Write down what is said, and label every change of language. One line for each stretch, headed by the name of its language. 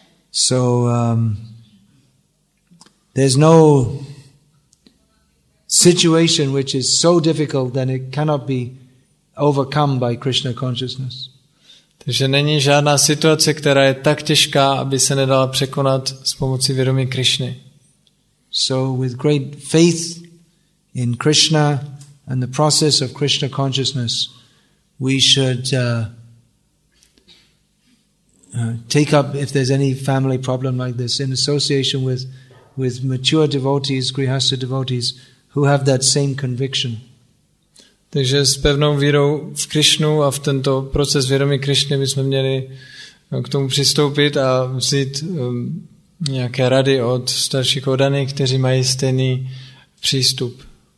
English: So there's no situation which is so difficult that it cannot be overcome by Krishna consciousness.
Czech: Takže není žádná situace, která je tak těžká, aby se nedala překonat s pomocí vědomí Krišny.
English: So with great faith in Krishna and the process of Krishna consciousness, we should take up, if there's any family problem like this, in association with mature devotees, grihastha devotees, who have that same conviction.
Czech: Takže s pevnou vírou v Krišnu a v tento proces vědomí Krišny bychom měli k tomu přistoupit a vzít nějaké rady od starších oddaných, kteří mají stejný přístup.